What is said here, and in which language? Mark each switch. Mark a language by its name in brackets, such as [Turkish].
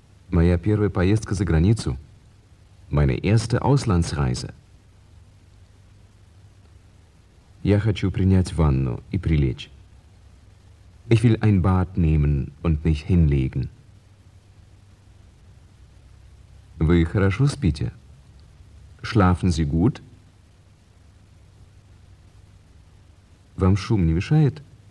[Russian] Моя первая поездка за границу. [German] Meine erste Auslandsreise. [Russian] Я хочу принять ванну и прилечь. [German] Ich will ein Bad nehmen und mich hinlegen. [Russian] Вы хорошо спите? [German] Schlafen Sie gut? [Russian] Вам шум не мешает?